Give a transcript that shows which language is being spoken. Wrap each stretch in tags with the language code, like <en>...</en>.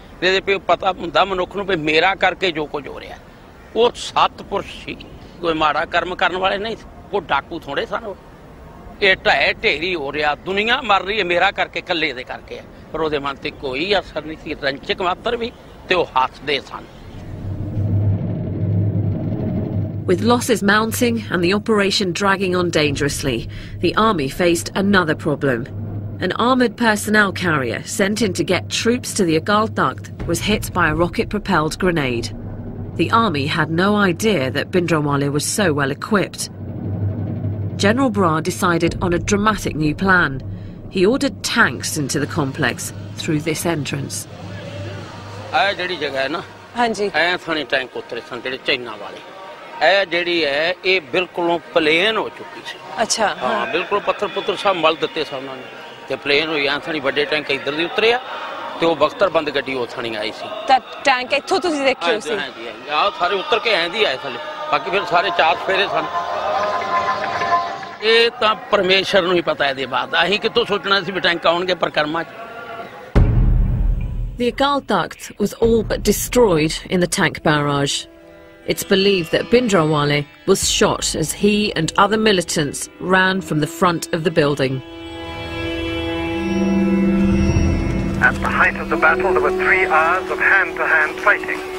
<pa>ਇਹਦੇ ਵੀ ਪਤਾ ਹੁੰਦਾ ਮਨੁੱਖ ਨੂੰ ਵੀ ਮੇਰਾ ਕਰਕੇ ਜੋ ਕੁਝ ਹੋ ਰਿਹਾ। ਉਹ ਸੱਤ ਪੁਰਸ਼ ਸੀ, ਕੋਈ ਮਾੜਾ ਕਰਮ ਕਰਨ ਵਾਲੇ ਨਹੀਂ, ਉਹ ਡਾਕੂ ਥੋੜੇ ਸਨ। ਇਹ ਢਹਿ ਢੇਰੀ ਹੋ ਰਿਹਾ, ਦੁਨੀਆਂ ਮਰ ਰਹੀ ਹੈ ਮੇਰਾ ਕਰਕੇ, ਇਕੱਲੇ ਦੇ ਕਰਕੇ। ਪਰ ਉਹਦੇ ਮਨ 'ਤੇ ਕੋਈ ਅਸਰ ਨਹੀਂ ਸੀ, ਰੰਚਕ ਮਾਤਰ ਵੀ, ਅਤੇ ਉਹ ਹੱਸਦੇ ਸਨ।</pa> <en>With losses mounting and the operation dragging on dangerously, the army faced another problem. An armored personnel carrier sent in to get troops to the Agaltakht was hit by a rocket-propelled grenade. The army had no idea that Bindranwale was so well equipped. General Bra decided on a dramatic new plan. He ordered tanks into the complex through this entrance.</en> <pa>ਇਹ ਜਿਹੜੀ ਹੈ ਇਹ ਬਿਲਕੁਲ plain ਹੋ ਚੁੱਕੀ ਸੀ। ਅੱਛਾ, ਹਾਂ ਬਿਲਕੁਲ ਪੱਥਰ ਪੁੱਥਰ ਸਭ ਮਲ ਦਿੱਤੇ ਸਨ ਉਹਨਾਂ ਨੇ, ਅਤੇ ਪਲੇਨ ਹੋਈ ਆ ਥਾਣੀ, ਵੱਡੇ ਟੈਂਕ ਇੱਧਰ ਦੀ ਉਤਰੇ ਆ, ਅਤੇ ਉਹ ਬਖਤਰ ਬੰਦ ਗੱਡੀ ਉਹ ਥਾਣੀ ਆਈ ਸੀ। ਤਾਂ ਟੈਂਕ ਇੱਥੋਂ ਤੁਸੀਂ ਦੇਖੇ ਹੋ? ਹਾਂਜੀ ਹਾਂਜੀ, ਆਹ ਸਾਰੇ ਉਤਰ ਕੇ ਐਂ ਦੀ ਆਏ ਥੱਲੇ, ਬਾਕੀ ਫਿਰ ਸਾਰੇ ਚਾਰ ਸਫੇਰੇ ਸਨ। ਇਹ ਤਾਂ ਪਰਮੇਸ਼ਰ ਨੂੰ ਹੀ ਪਤਾ ਇਹਦੇ ਬਾਅਦ, ਅਸੀਂ ਕਿੱਥੋਂ ਸੋਚਣਾ ਸੀ ਵੀ ਟੈਂਕ ਆਉਣਗੇ ਪਰਿਕਰਮਾ 'ਚ।</pa> <en>The Agaltakht was all but destroyed in the tank barrage. It's believed that Bindranwale was shot as he and other militants ran from the front of the building. At the height of the battle, there were 3 hours of hand-to-hand fighting.</en>